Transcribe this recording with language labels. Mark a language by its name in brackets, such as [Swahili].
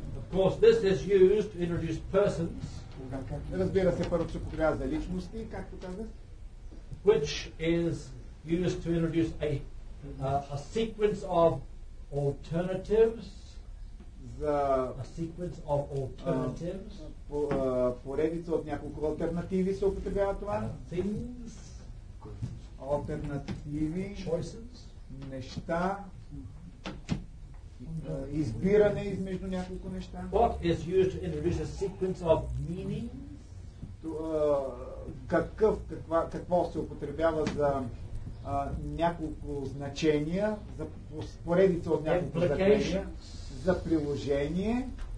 [English] Of course, this is used to introduce persons. [Bulgarian] Разбира се, първо се употребява за личности, както казах. [English] Which is used to introduce a sequence of alternatives. [Bulgarian] За [English] a sequence of alternatives. [Bulgarian] Поредица от няколко алтернативи се употребява това. [English] Things. [Bulgarian] Алтернативи. [English] Choices. [Bulgarian] Неща. Избиране измежду няколко неща. [English] What is used to introduce a sequence of meanings? [Bulgarian] Какво се употребява за няколко значения, за поредица от няколко значения, за приложение,